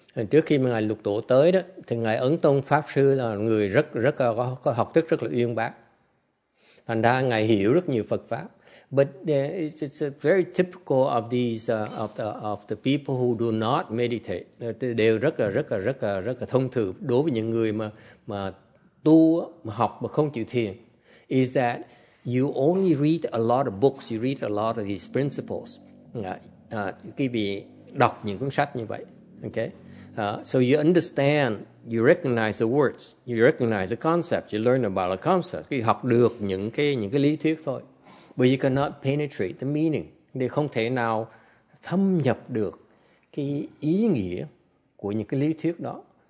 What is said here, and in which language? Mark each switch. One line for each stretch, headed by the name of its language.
Vietnamese: Trước khi mà Ngài Lục Tổ tới đó, thì Ngài Ấn Tông Pháp Sư là người rất rất có học thức rất là uyên bác. Thành ra Ngài hiểu rất nhiều Phật Pháp.
English: But it's very typical of these of the people who do not meditate.
Vietnamese: Đều rất là thông thường đối với những người mà tu, mà học mà không chịu thiền.
English: Is that you only read a lot of books, you read a lot of these principles.
Vietnamese: Quý vị đọc những cuốn sách như vậy.
English: Okay? So you understand, you recognize the words, you recognize the concept, you learn about the concept.
Vietnamese: Quý vị học được những cái lý thuyết thôi.
English: But you cannot penetrate the meaning.
Vietnamese: Để không thể nào thâm nhập được cái ý nghĩa của những cái lý thuyết đó.